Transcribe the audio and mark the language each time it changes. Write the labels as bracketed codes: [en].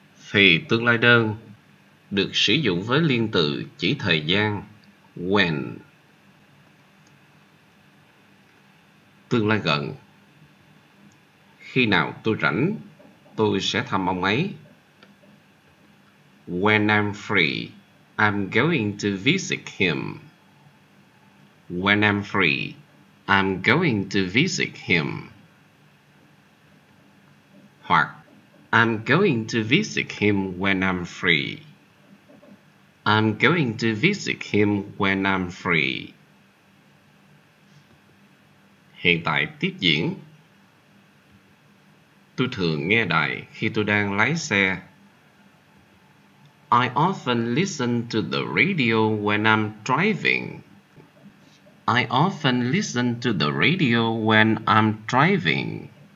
[vi] Thì tương lai đơn được sử dụng với liên từ chỉ thời gian when. Tương lai gần. Khi nào tôi rảnh, tôi sẽ thăm ông ấy. [en] When I'm free, I'm going to visit him. When I'm free, I'm going to visit him. Hoặc, I'm going to visit him when I'm free. I'm going to visit him when I'm free. [vi] Hiện tại tiếp diễn. Tôi thường nghe đài khi tôi đang lái xe. [en] I often listen to the radio when I'm driving. I often listen to the radio when I'm driving.